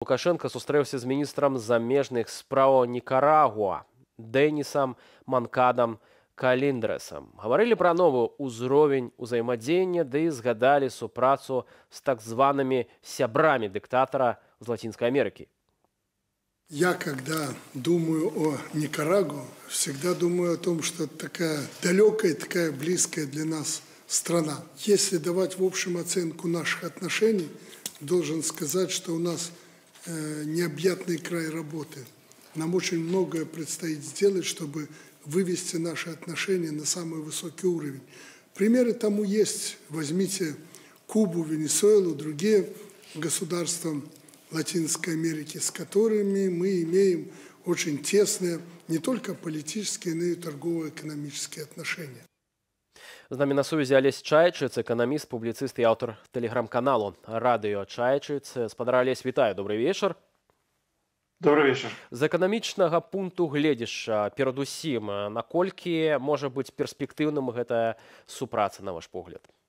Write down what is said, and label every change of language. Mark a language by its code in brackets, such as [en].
[be] Лукашенко сустрэўся з міністрам замежных справаў Нікарагуа Дэнісам Манкадам Каліндрэсам. Гаварылі пра новы ўзровень узаемадзеяння, ды згадалі супрацу з так званымі сябрамі дыктатара з Лацінскай Амерыкі. [ru] Я, когда думаю о Никарагуа, всегда думаю о том, что это такая далекая, такая близкая для нас страна. Если давать в общем оценку наших отношений, должен сказать, что у нас необъятный край работы. Нам очень многое предстоит сделать, чтобы вывести наши отношения на самый высокий уровень. Примеры тому есть. Возьмите Кубу, Венесуэлу, другие государства Латинской Америки, с которыми мы имеем очень тесные не только политические, но и торгово-экономические отношения. [be] З нами на сувязі Алесь Чайчыц, эканаміст, публіцыст і аўтар тэлеграм-каналу «Радыё Чайчыц». Спадар Алесь, вітаю, [ru] добрый вечер. Добрый вечер. [be] З эканамічнага пункту гледзіша, перад усім, наколькі можа быць перспектыўным гэтая супраца, на ваш погляд?